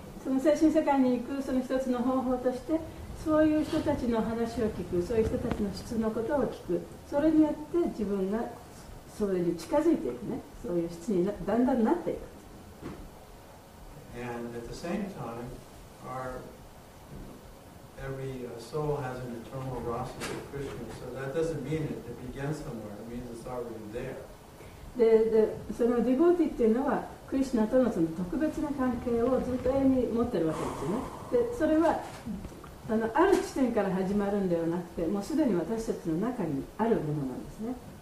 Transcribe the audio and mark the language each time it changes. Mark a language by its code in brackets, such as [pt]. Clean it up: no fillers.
[ja] その精神世界に行くその一つの方法として。そういう人たちの話を聞く、そういう人たちの質のことを聞く、それによって自分がそれに近づいていくね、そういう質にだんだんなっていく。 [en] And at the same time, every soul has an eternal rasa with Krishna, so that doesn't mean it begins somewhere, it means it's already there. [ja] で、そのディボーティっていうのは、クリシナとのその特別な関係をずっと永遠に持ってるわけですね。で、それは、ある地点から始まるんではなくて、もうすでに私たちの中にあるものなんですね。